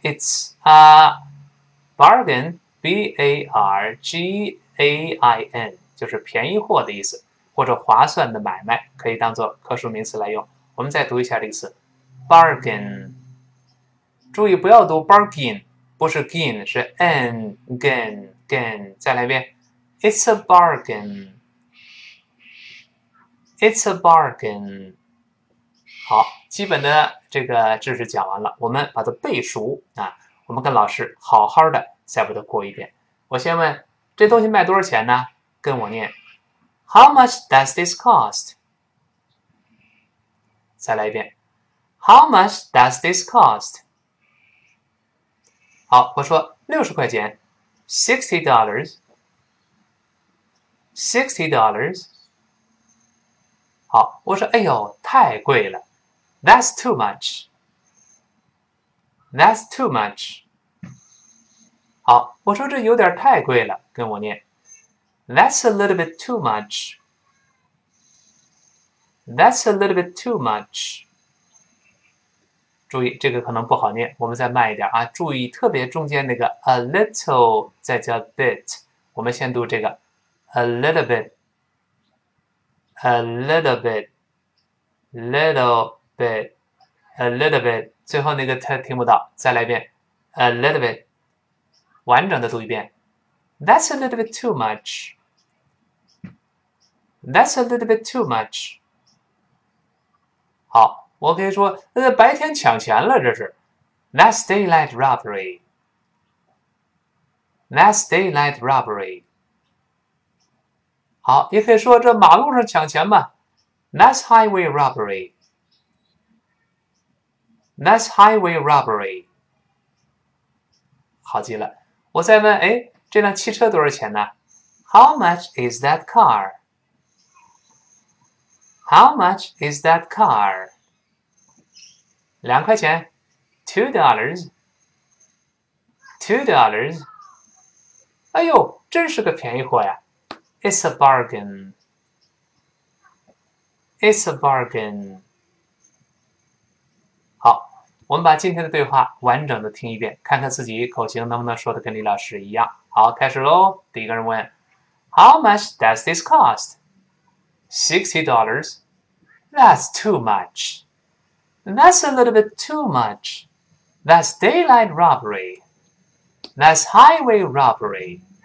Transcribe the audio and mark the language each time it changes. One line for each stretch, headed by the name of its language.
English: It's a bargain,
Chinese: bargain 就是便宜货的意思，或者划算的买卖，可以当做可数名词来用。我们再读一下这个词：bargain。注意不要读 bargain。不是 gain，是 n gain gain。 再来一遍，
English: It's a bargain. It's a bargain.
Chinese: 好，基本的这个知识讲完了，我们把它背熟啊。我们跟老师好好的再把它过一遍。我先问，这东西卖多少钱呢？跟我念，
English: How much does this cost？再来一遍，How much does this cost？
Chinese: 好，我说60块钱，
English: sixty dollars，sixty dollars。
Chinese: 好，我说哎呦，太贵了，
English: that's too much，that's too much。
Chinese: 好，我说这有点太贵了，跟我念，
English: that's a little bit too much，that's a little bit too much。
Chinese: 注意，这个可能不好念，我们再慢一点啊！注意，特别中间那个 a little 再加 bit，我们先读这个
English: a little bit，a little bit，little bit，a little bit，
Chinese: 最后那个它听不到，再来一遍 a little bit，完整的读一遍。
English: That's a little bit too much. That's a little bit too much.
Chinese: 好。我可以说，白天抢钱了，这是。
English: That's daylight robbery. That's daylight robbery.
Chinese: 好，也可以说这马路上抢钱嘛。
English: That's highway robbery.
Chinese: That's highway robbery. 好极了，我再问，哎，这辆汽车多少钱呢？
English: How much is that car? How much is that car?
Chinese: 2块钱，$
English: 2，$2。
Chinese: 哎呦，真是个便宜货呀！
English: It's a bargain. It's a bargain.
Chinese: 好，我们把今天的对话完整的听一遍，看看自己口型能不能说的跟李老师一样。好，开始喽。第一个人问：
English: How much does this cost? $60. That's too much. That's a little bit too much. That's daylight robbery. That's highway robbery.